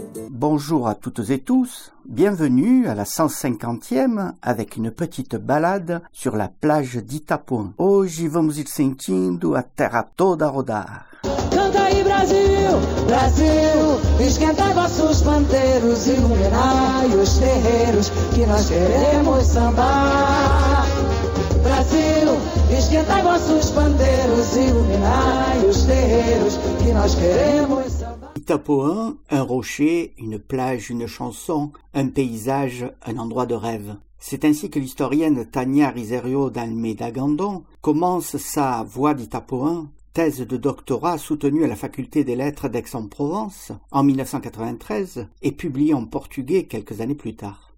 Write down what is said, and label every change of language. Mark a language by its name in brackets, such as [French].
[French] Bonjour à toutes et tous, bienvenue à la 150e avec une petite balade sur la plage d'Itapuã. [Portuguese] Hoje vamos ir sentindo a terra toda rodar. Canta aí Brasil, Brasil, esquenta vossos panteiros, iluminai os terreiros que nós queremos sambar. Brasil, esquenta vossos panteiros, iluminai os terreiros que nós queremos. [French] Itapuã, un rocher, une plage, une chanson, un paysage, un endroit de rêve. C'est ainsi que l'historienne Tania Rizerio d'Almeida Gandon commence sa « Voix d'Itapuã », thèse de doctorat soutenue à la faculté des lettres d'Aix-en-Provence en 1993 et publiée en portugais quelques années plus tard.